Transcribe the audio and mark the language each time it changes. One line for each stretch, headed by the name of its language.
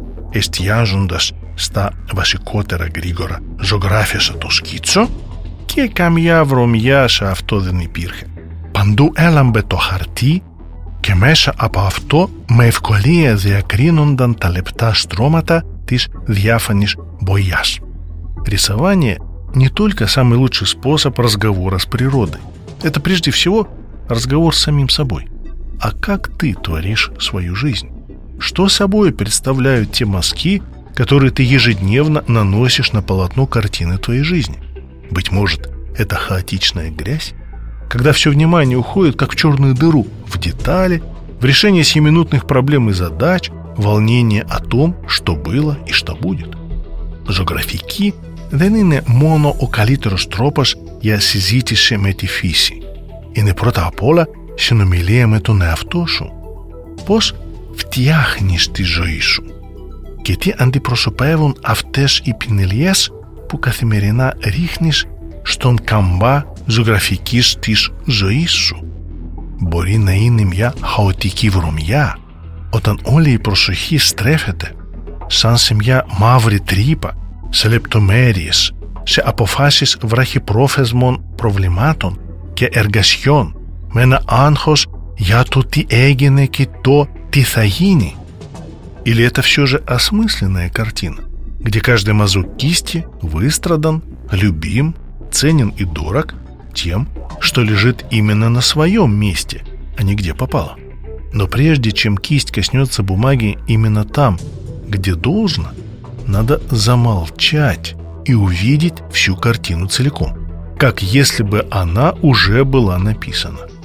Greek: Εστιάζοντας στα βασικότερα γρήγορα ζωγράφισα το σκίτσο και καμιά βρωμιά σε αυτό δεν υπήρχε. Παντού έλαμπε το χαρτί και μέσα από αυτό με ευκολία διακρίνονταν τα λεπτά στρώματα της διάφανης μπογιάς.
Russian: Рисование не только самый лучший способ разговора с природой. Это прежде всего разговор с самим собой. А как ты творишь свою жизнь? Что собой представляют те мазки, которые ты ежедневно наносишь на полотно картины твоей жизни? Быть может, это хаотичная грязь? Когда все внимание уходит, как в черную дыру, в детали, в решение сиюминутных проблем и задач, волнение о том, что было и что будет.
Greek: Зографики δεν είναι μόνο ο καλύτερος τρόπος για συζήτηση με τη φύση. Είναι πρώτα απ' όλα συνομιλία με τον εαυτό σου. Πώς φτιάχνεις τη ζωή σου? Και τι αντιπροσωπεύουν αυτές οι πινελιές που καθημερινά ρίχνεις στον καμπά ζωγραφικής της ζωής σου? Μπορεί να είναι μια χαοτική βρωμιά, όταν όλη η προσοχή στρέφεται σαν σε μια μαύρη τρύπα, σε λεπτομέρειες, σε αποφάσεις βραχυπρόθεσμων προβλημάτων και εργασιών, με ένα άγχος για το τι έγινε και το τι θα γίνει.
Russian: Или это все же осмысленная картина, где каждый мазок кисти выстрадан, любим, ценен и дорог тем, что лежит именно на своем месте, а не где попало. Но прежде чем кисть коснется бумаги именно там, где должно, надо замолчать и увидеть всю картину целиком, как если бы она уже была написана.